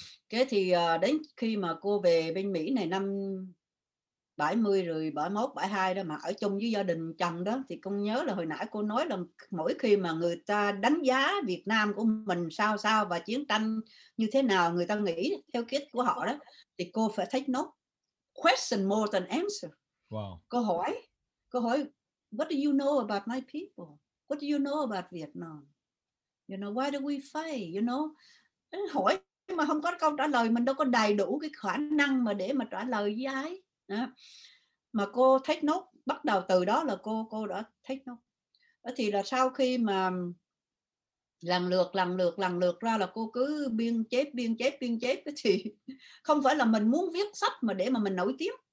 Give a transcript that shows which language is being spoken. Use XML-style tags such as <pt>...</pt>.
<vi>Thế thì đến khi mà cô về bên Mỹ này năm 70 rồi 71, 72 đó, mà ở chung với gia đình chồng đó, thì con nhớ là hồi nãy cô nói là mỗi khi mà người ta đánh giá Việt Nam của mình sao sao và chiến tranh như thế nào, người ta nghĩ theo kiến của họ đó, thì cô phải</vi> <en>take note. Question more than answer. Wow.</en> <vi>Cô hỏi,</vi> <en>what do you know about my people? What do you know about Vietnam? You know, why do we fight? You know,</en> <vi>hỏi mà không có câu trả lời, mình đâu có đầy đủ cái khả năng mà để mà trả lời với ai. Đó. Mà cô</vi> <en>take note,</en> <vi>bắt đầu từ đó là cô đã take note. Thì là sau khi mà lần lượt ra là cô cứ biên chép, thì không phải là mình muốn viết sách mà để mà mình nổi tiếng.</vi>